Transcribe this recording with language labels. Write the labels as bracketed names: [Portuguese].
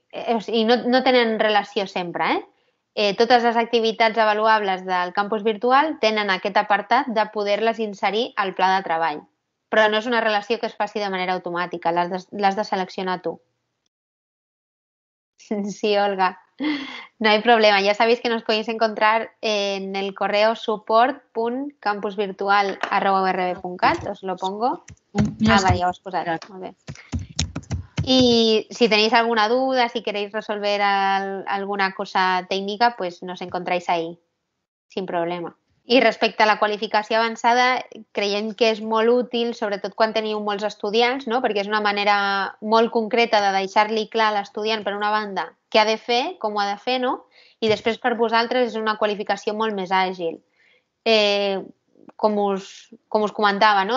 [Catalan] O sigui, no tenen relació sempre, eh? Totes les activitats avaluables del campus virtual tenen aquest apartat de poder-les inserir al pla de treball. Però no és una relació que es faci de manera automàtica, l'has de seleccionar tu. Sí, Olga. [Spanish] No hay problema, ya sabéis que nos podéis encontrar en el correo support.campusvirtual@urb.cat, os lo pongo. Ah, vale, ya os puse. Y si tenéis alguna duda, si queréis resolver alguna cosa técnica, pues nos encontráis ahí, sin problema. [Catalan] I respecte a la qualificació avançada, creiem que és molt útil, sobretot quan teniu molts estudiants, no? Perquè és una manera molt concreta de deixar-li clar a l'estudiant, per una banda, què ha de fer, com ho ha de fer, no? I després, per vosaltres, és una qualificació molt més àgil. Com us comentava, no?